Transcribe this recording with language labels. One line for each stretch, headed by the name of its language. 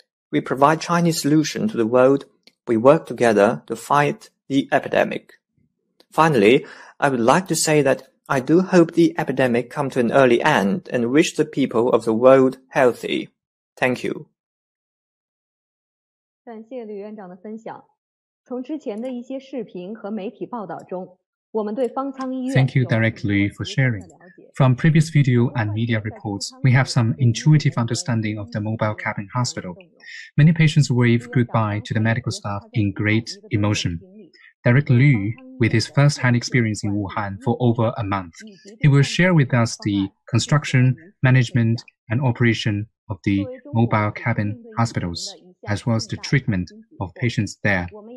English: We provide Chinese solutions to the world. We work together to fight the epidemic. Finally, I would like to say that I do hope the epidemic come to an early end and wish the people of the world healthy. Thank you.
Chinese: 感谢吕院长的分享。从之前的一些视频和媒体报道中, 我们对方舱医院有了更多的了解。
English: Thank you, Director Liu, for sharing. From previous video and media reports, we have some intuitive understanding of the mobile cabin hospital. Many patients wave goodbye to the medical staff in great emotion. Director Liu, with his first-hand experience in Wuhan for over a month, he will share with us the construction, management, and operation of the mobile cabin hospitals, as well as the treatment of patients there.